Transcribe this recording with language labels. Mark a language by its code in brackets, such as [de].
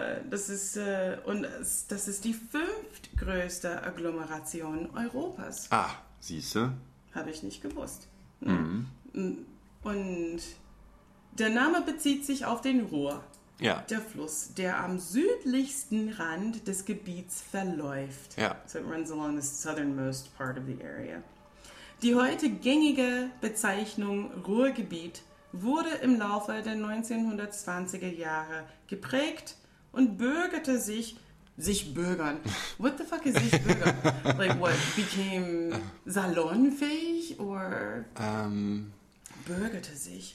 [de] Das ist, und das ist die fünftgrößte Agglomeration Europas. Ah, siehste. Habe ich nicht gewusst. Und der Name bezieht sich auf den Ruhr. Ja. Der Fluss, der am südlichsten Rand des Gebiets verläuft. Ja. [en] So it runs along the southernmost part of the area. [de] Die heute gängige Bezeichnung Ruhrgebiet wurde im Laufe der 1920er Jahre geprägt und bürgerte sich bürgern. [en] What the fuck is [de] sich bürgern? [en] Like what became [de] salonfähig [en] or [de] bürgerte sich?